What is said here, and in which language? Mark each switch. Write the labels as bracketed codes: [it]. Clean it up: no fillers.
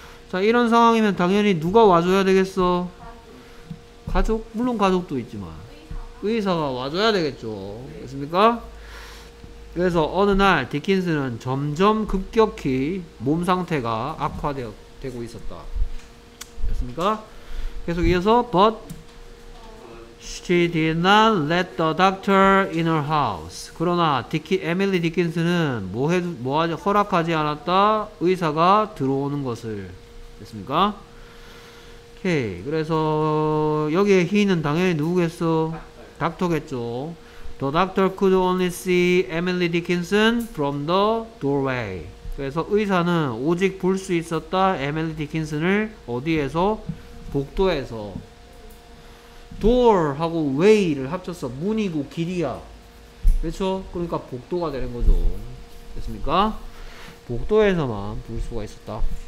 [ko] 자, 이런 상황이면 당연히 누가 와줘야 되겠어? 가족? 물론 가족도 있지만. 의사가 와줘야 되겠죠. 됐습니까? 그래서 어느 날 디킨슨은 점점 급격히 몸 상태가 악화되고 있었다. 됐습니까? 계속 이어서 [en] but she did not let the doctor in her house. [ko] 그러나 에밀리 디킨슨은 허락하지 않았다. 의사가 들어오는 것을. 됐습니까? 오케이. 그래서 여기에 he는 당연히 누구겠어? 닥터겠죠. [en] The doctor could only see Emily Dickinson from the doorway. [ko] 그래서 의사는 오직 볼 수 있었다. Emily Dickinson을 어디에서? 복도에서. door하고 way를 합쳤어. 문이고 길이야. 그렇죠? 그러니까 복도가 되는 거죠. 됐습니까? 복도에서만 볼 수가 있었다.